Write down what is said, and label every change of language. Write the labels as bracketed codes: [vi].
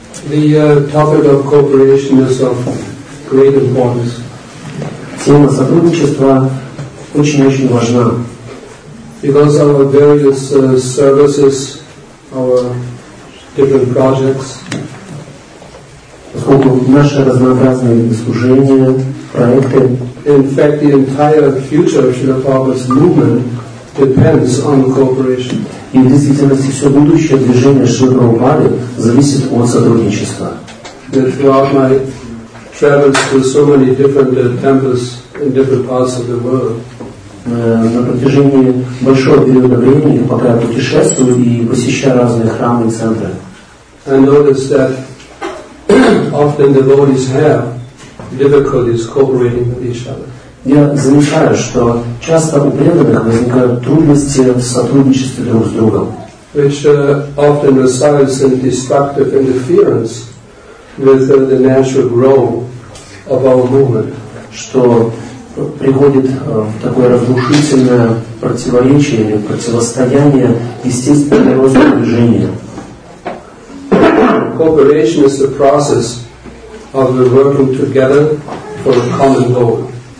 [en] The topic of cooperation is of great importance. [ru] Тема сотрудничества очень-очень важна. [en] Because our various services, our different projects, [ru] поскольку наши разнообразные служения, проекты, [en] in fact, the entire future of Srila Prabhupada's movement depends on cooperation. [ru] И в действительности все будущее движение Шрилы Прабхупады зависит от сотрудничества. [en] Throughout my travels to so many different temples in different parts of the world, [ru] на протяжении большого периода времени, пока я путешествую и посещаю разные храмы и центры, [en] I noticed that often devotees have difficulties cooperating with each other. [ru] Я замечаю, что часто у преданных возникают трудности в сотрудничестве друг с другом. [en] Which often results in destructive interference with the natural growth of our movement. [ru] Что приходит в такое разрушительное противоречие или противостояние естественного роста движения. [en] Cooperation is the process of working together for a common goal.